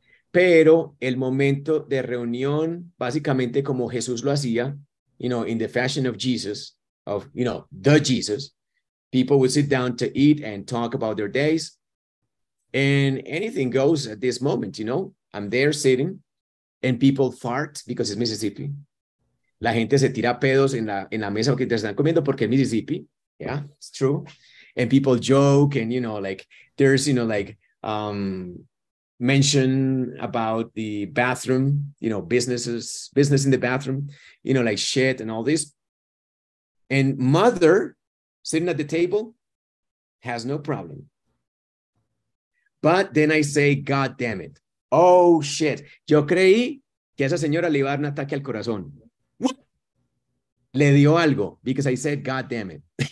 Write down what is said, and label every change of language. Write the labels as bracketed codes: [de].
[es] Pero el momento de reunión, básicamente como Jesús lo hacía, [en] you know, in the fashion of Jesus, of, you know, the Jesus, people would sit down to eat and talk about their days. And anything goes at this moment, you know, I'm there sitting and people fart because it's Mississippi. [es] La gente se tira pedos en la mesa que te están comiendo porque es Mississippi. [en] Yeah, it's true. And people joke and, you know, like there's, you know, like mention about the bathroom, you know, business in the bathroom, you know, like shit and all this. And mother sitting at the table has no problem. But then I say, God damn it. Oh, shit. [es] Yo creí que esa señora le iba a dar un ataque al corazón. [en] What? [es] Le dio algo. [en] Because I said, God damn it.